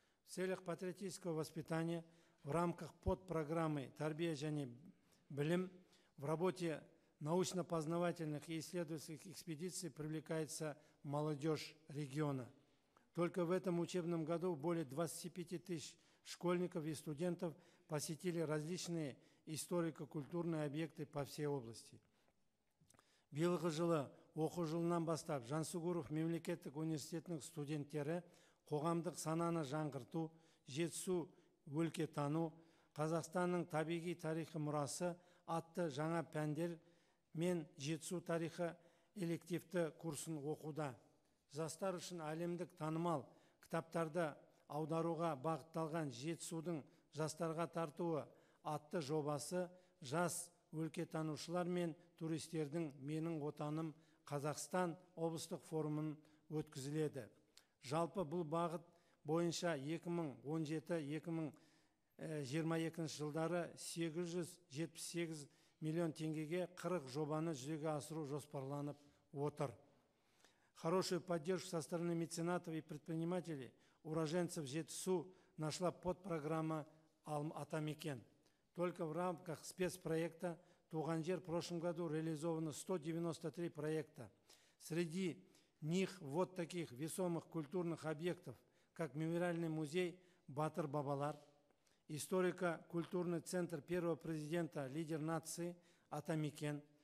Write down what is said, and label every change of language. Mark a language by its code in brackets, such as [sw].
[ru] В целях патриотического воспитания в рамках подпрограммы «Тарбия және білім» в работе научно-познавательных и исследовательских экспедиций привлекается молодежь региона. Только в этом учебном году более 25 тысяч школьников и студентов посетили различные историко-культурные объекты по всей области. [kk] Биылғы жылы оқу жылынан бастап Жансугуров мемлекеттік университетінің студенттері қоғамдық сананы жаңғырту, жетсу өлке тану, Қазақстанның табиғи тарихы мұрасы атты жаңа пәндер мен жетсу тарихы элективті курсын оқуда. Жастар үшін әлемдік танымал кітаптарды аударуға бағытталған жетсудың жастарға тартуы атты жобасы жас өлкетанушылар мен туристердің менің отаным Қазақстан облыстық форумын өткізіледі. Жалпы бұл бағыт бойынша 2017-2022 жылдары 878 миллион теңгеге 40 жобаны жүзеге асыру жоспарланып отыр. [ru] Хорошую поддержку со стороны меценатов и предпринимателей уроженцев ЖЕТСУ нашла подпрограмма «Атамекен». Только в рамках спецпроекта «Туған жер» в прошлом году реализовано 193 проекта. Среди них вот таких весомых культурных объектов, как мемориальный музей «Батыр Бабалар», историко-культурный центр первого президента, лидер нации «Атамекен».